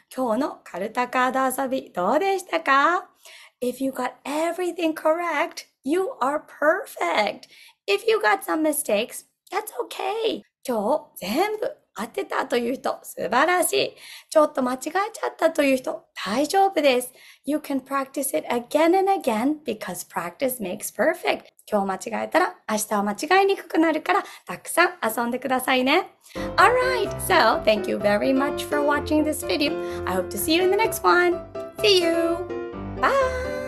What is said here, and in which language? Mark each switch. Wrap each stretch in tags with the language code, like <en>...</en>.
<ja>今日のかるたカード遊びどうでしたか?</ja> <en>If you got everything correct, you are perfect! If you got some mistakes, that's okay!</en> <ja>今日全部合ってたという人、素晴らしい! ちょっと間違えちゃったという人、大丈夫です!</ja> <en>You can practice it again and again because practice makes perfect!</en> <ja>今日間違えたら明日は間違いにくくなるからたくさん遊んでくださいね。</ja> <en>Alright, so thank you very much for watching this video. I hope to see you in the next one. See you! Bye!</en>